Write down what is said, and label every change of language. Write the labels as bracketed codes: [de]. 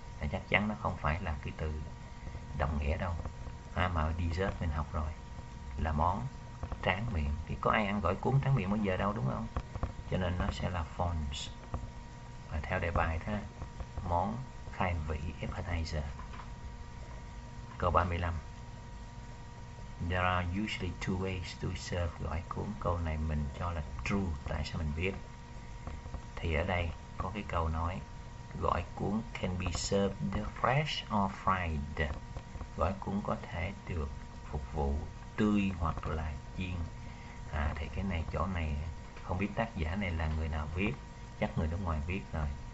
[vi] Và chắc chắn nó không phải là cái từ đồng nghĩa đâu. Mà dessert mình học rồi là món tráng miệng, thì có ai ăn gỏi cuốn tráng miệng bao giờ đâu, đúng không? Cho nên nó sẽ là fonds. Và theo đề bài thế, món khai vị appetizer. Câu 35. [en] There are usually two ways to serve gỏi cuốn. [vi] Câu này mình cho là true. Tại sao mình biết? Thì ở đây có cái câu nói gỏi cuốn [en] can be served fresh or fried. [vi] Gỏi cuốn có thể được phục vụ tươi hoặc là chiên. Thì cái này, chỗ này không biết tác giả này là người nào viết, chắc người nước ngoài viết rồi.